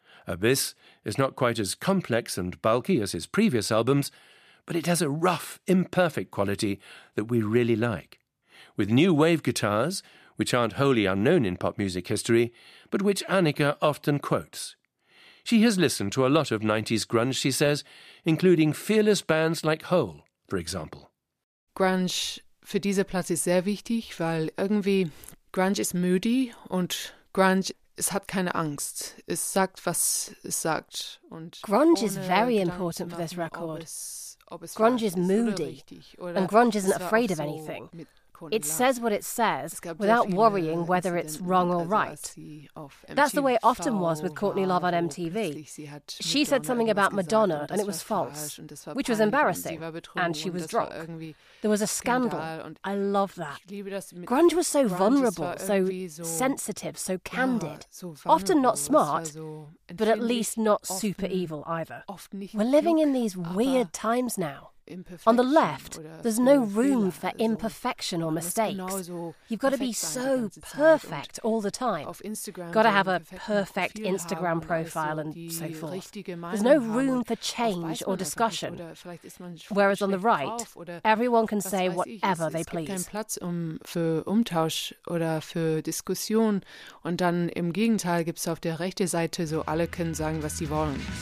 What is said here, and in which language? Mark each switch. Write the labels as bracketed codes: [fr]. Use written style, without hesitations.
[en] Abyss is not quite as complex and bulky as his previous albums, but it has a rough, imperfect quality that we really like. With new wave guitars, which aren't wholly unknown in pop music history, but which Annika often quotes. She has listened to a lot of 90s grunge, she says, including fearless bands like Hole, for example. [de] Grunge for this Platte is sehr wichtig, weil irgendwie Grunge ist moody und Grunge, es hat keine Angst. Es sagt, was es sagt. Und [en] Grunge is very important for this record. Grunge is moody and grunge isn't afraid of anything. It says what it says without worrying whether it's wrong or right. That's the way it often was with Courtney Love on MTV. She said something about Madonna and it was false, which was embarrassing, and she was drunk. There was a scandal. I love that. Grunge was so vulnerable, so sensitive, so candid, often not smart, but at least not super evil either. We're living in these weird times now. On the left, there's no room for imperfection or mistakes. You've got to be so perfect all the time. Got to have a perfect Instagram profile and so forth. There's no room for change or discussion. Whereas on the right, everyone can say whatever they please. [de] Es gibt keinen Platz für Umtausch oder für Diskussion. Und dann im Gegenteil gibt es auf der rechten Seite so, alle können sagen, was sie wollen.